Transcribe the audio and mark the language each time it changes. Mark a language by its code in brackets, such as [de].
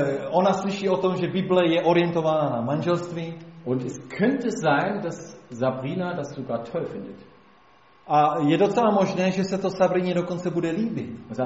[cs] Ona slyší o tom, že Bible je orientována na manželství. [de] Und es könnte sein, dass Sabrina das sogar toll findet. [cs] A je docela možné, že se to Sabrině dokonce bude líbit.